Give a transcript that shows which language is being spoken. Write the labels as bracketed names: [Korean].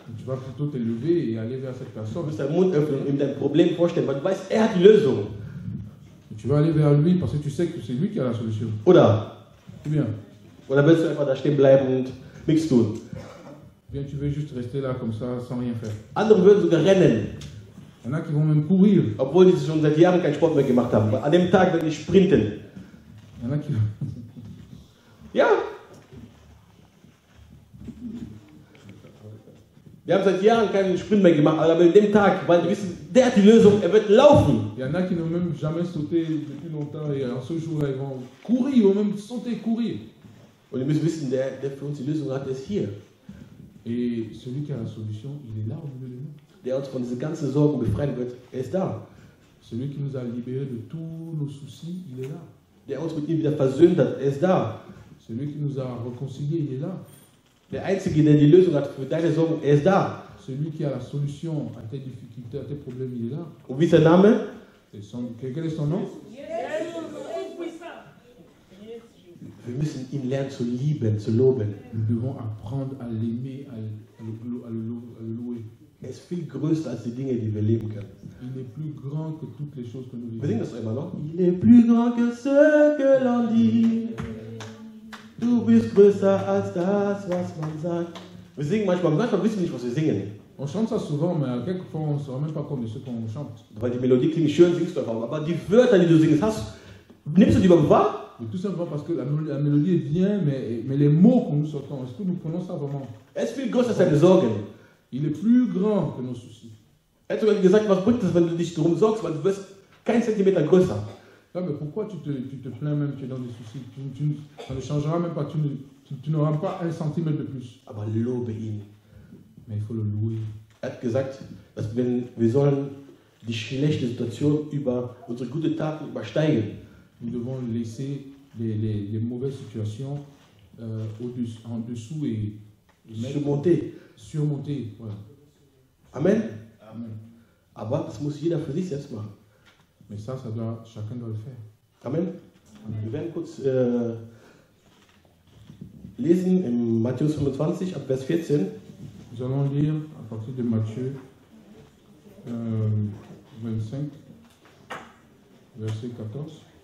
[French] Tu vas plutôt te lever et aller vers cette personne. [German] Du wirst deinen Mund öffnen und ihm dein Problem vorstellen, weil du weißt, er hat die Lösung. [French] Et tu vas aller vers lui parce que tu sais que c'est lui qui a la solution. [German] Oder? [French] Ou bien? [German] Oder willst du einfach da stehen bleiben und nichts tun? [French] Bien, tu veux juste rester là comme ça sans rien faire. [German] Andere würden sogar rennen. [French] Il y en a qui vont même courir. [German] Obwohl sie schon seit Jahren keinen Sport mehr gemacht haben. An dem Tag, wenn ich sprinten. [French] Il y en a qui. [German] Ja! Wir haben seit Jahren keinen Sprint mehr gemacht, aber an dem Tag, weil wir wissen, der hat die Lösung, er wird laufen. [French] Il y en a qui n'ont même jamais sauté depuis longtemps et en ce jour-là, ils vont courir, ils vont même sauter, courir. [German] Und ihr müsst wissen, der für uns die Lösung hat, ist hier. [French] Et celui qui a la solution, il est là au milieu de nous. [German] Der uns von diesen ganzen Sorgen befreien wird, er ist da. [French] Celui qui nous a libéré de tous nos soucis, il est là. [German] Der uns mit ihm wieder versöhnt hat, er ist da. [French] Celui qui nous a reconcilié, il est là. [German] Der einzige, der die Lösung hat für deine Sorgen, er ist da. [French] Celui qui a la solution à tes difficultés, à tes problèmes, il est là. [German] Und wie ist sein Name? [French] Quel est son nom? [German] Wir müssen ihn lernen zu lieben, zu loben. [French] Nous devons apprendre à l'aimer, à le louer. [German] Er ist viel größer als die Dinge, die wir leben können. [French] Il est plus grand que toutes les choses que nous vivons. [German] Singen das einmal noch. [French] Il est plus grand que ce que l'on dit. [German] Du bist größer als das, was man sagt. Wir singen manchmal wissen wir nicht, was wir singen. [French] On chante ça souvent, mais quelquefois on ne se rend même pas compte de ce qu'on chante. [German] Weil die Melodie klingt schön, singst du einfach. Aber die Wörter, die du singst, nimmst du die überhaupt wahr? [French] Mais tout simplement parce que la mélodie est bien, mais les mots que nous sortons, est-ce que nous prenons ça vraiment? [German] Es viel größer als Sorgen. [French] Il est plus grand que nos soucis. [German] Er hat sogar gesagt, was bringt es, wenn du dich drum sorgst, weil du wirst kein Zentimeter größer. [French] Ja, mais pourquoi tu te plains même, tu es dans des soucis? Ça ne changera même pas, tu n'auras pas un centimètre de plus. [German] Aber lobe ihn. [French] Mais il faut le louer. [German] Er hat gesagt, dass wir sollen die schlechte Situation über unsere gute Taten übersteigen. [French] Nous devons laisser les mauvaises situations en dessous et surmonter. Voilà. Amen. Amen. [German] Aber das muss jeder für sich selbst machen. [French] Mais ça doit, chacun doit le faire. Amen. Amen. [German] Wir werden kurz lesen in Matthäus 25, ab Vers 14. [French] Nous allons lire à partir de Matthieu 25, verset 14.